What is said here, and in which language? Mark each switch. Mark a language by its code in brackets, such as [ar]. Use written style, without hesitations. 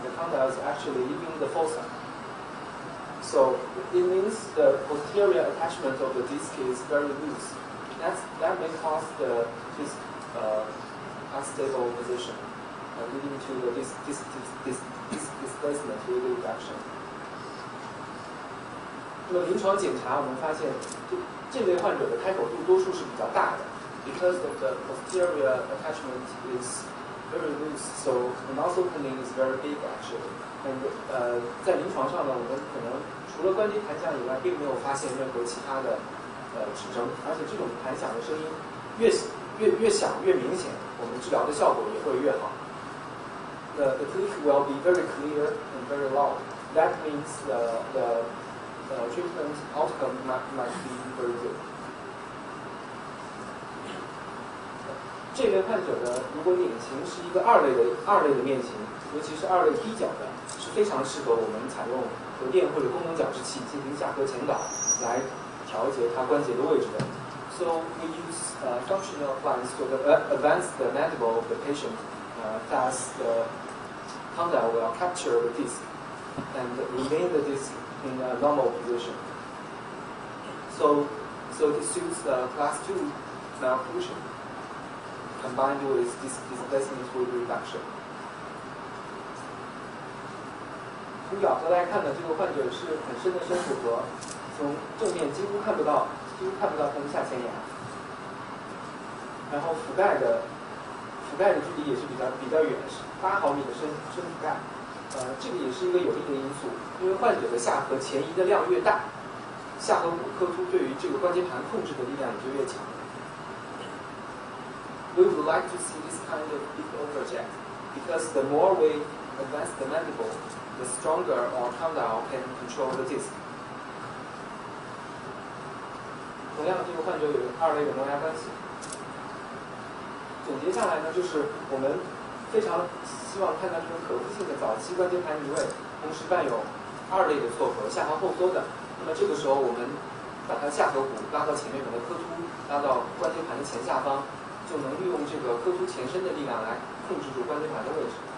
[en] The condyle is actually leaving the fossa. So it means the posterior attachment of the disc is very loose. That may cause the disc unstable position, leading to the disc displacement with reduction. [zh] 那么临床检查我们发现，这类患者的开口度多数是比较大的 [en] ，because of the posterior attachment is very loose, so the muscle opening is very big actually. [zh] And 在临床上呢，我们可能除了关节弹响以外，并没有发现任何其他的指征，而且这种弹响的声音越响越明显，我们治疗的效果也会越好。 [en] The click will be very clear and very loud. That means the treatment outcome might be very good. [zh] 这类患者呢，如果脸型是一个二类的面型，尤其是二类低角的，是非常适合我们采用头垫或者功能矫治器进行下颌前导来调节它关节的位置的。 [en] So we use functional appliance to advance the mandible of the patient, thus the condyle will capture the disc and remain the disc. In a normal position. So this suits the class 2 malocclusion combined with disc displacement with reduction. [zh] 从表格来看呢，这个患者是很深的深骨骼，从正面几乎看不到他的下前牙，然后覆盖的距离也是比较远，是8毫米的深覆盖。这个也是一个有利的因素，因为患者的下颌前移的量越大，下颌骨髁突对于这个关节盘控制的力量也就越强。 [en] We would like to see this kind of big overject, because the more we advance the mandible, the stronger our condyle can control the disc. [zh] 同样，这个患者有二类的磨牙关系。总结下来呢，就是我们非常希望看到这种可复性的早期关节盘移位，同时伴有二类的错合，下颌后缩的。那么这个时候，我们把它下颌骨拉到前面，把它髁突拉到关节盘的前下方，就能利用这个髁突前伸的力量来控制住关节盘的位置。